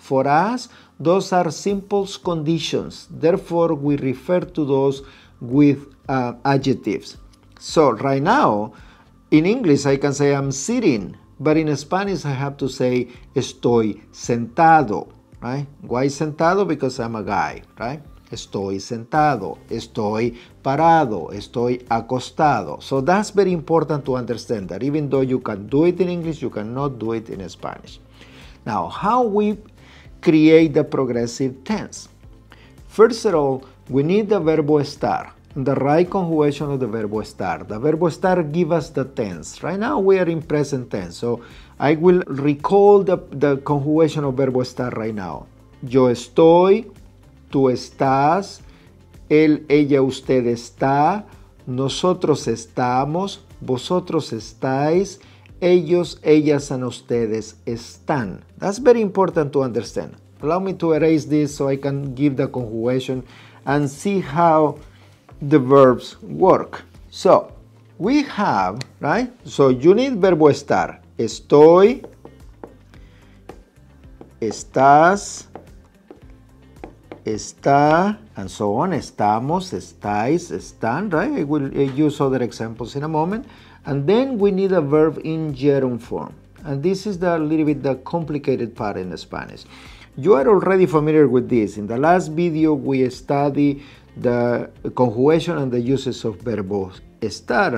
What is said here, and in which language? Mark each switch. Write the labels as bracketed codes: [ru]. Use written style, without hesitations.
[en] For us, those are simple conditions. Therefore, we refer to those with adjectives. So right now, in English, I can say I'm sitting, but in Spanish, I have to say [es] estoy sentado, [en] right? Why sentado? Because I'm a guy, right? [es] Estoy sentado, estoy parado, estoy acostado. [en] So that's very important to understand that even though you can do it in English, you cannot do it in Spanish. Now, how we create the progressive tense? First of all, we need the verbo estar, the right conjugation of the verbo estar. The verbo estar gives us the tense. Right now we are in present tense, so I will recall the conjugation of verbo estar right now. [es] Yo estoy. Tú estás, él, ella, usted está, nosotros estamos, vosotros estáis, ellos, ellas, [en] and [es] ustedes están. [en] That's very important to understand. Allow me to erase this so I can give the conjugation and see how the verbs work. So, we have, right? So, you need verbo estar. [es] Estoy, estás, está, [en] and so on, [es] estamos, estáis, están, right? [en] I will use other examples in a moment. And then we need a verb in gerund form. And this is the little bit the complicated part in Spanish. You are already familiar with this. In the last video, we studied the conjugation and the uses of verbo estar.